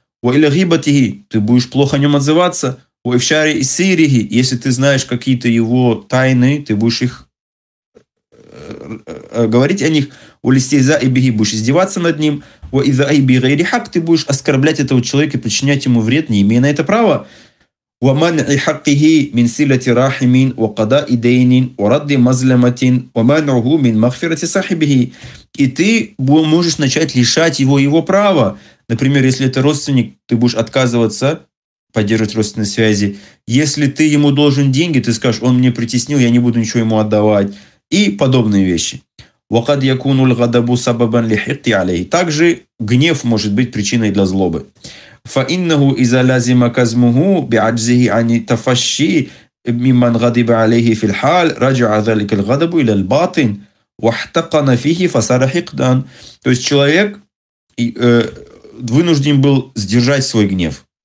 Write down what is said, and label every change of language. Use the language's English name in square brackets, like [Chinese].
[Russian] Ты будешь плохо о нем отзываться. Если ты знаешь какие-то его тайны, ты будешь их говорить о них. Будешь издеваться над ним. Ты будешь оскорблять этого человека и причинять ему вред, не имея на это права. [Arabic] ومنع حقه من صلة رحم وقضاء دين ورد مظلمة ومنعه من مغفرة صاحبه. [Russian] И ты можешь начать лишать его его права. Например, если это родственник, ты будешь отказываться поддерживать родственные связи. Если ты ему должен деньги, ты скажешь: он мне притеснил, я не буду ничего ему отдавать. И подобные вещи. [Arabic] وقد يكون الغضب سببا لحقد عليه. [Russian] Также гнев может быть причиной для злобы. [Arabic] فَإِنَّهُ إِذَا لَازِمَ كَزْمُهُ بِعَجْزِهِ عَنِ تَفَشِّي مِمَّنْ غَضِبَ عَلَيْهِ فِي الْحَالِ رَجْعَ ذَلِكَ الْغَضَبُ إِلَى الْبَاطِنِ وَاحْتَقَنَ فِيهِ فَصَارَ حِقْدًا. [Russian] То есть человек вынужден был сдержать свой гнев.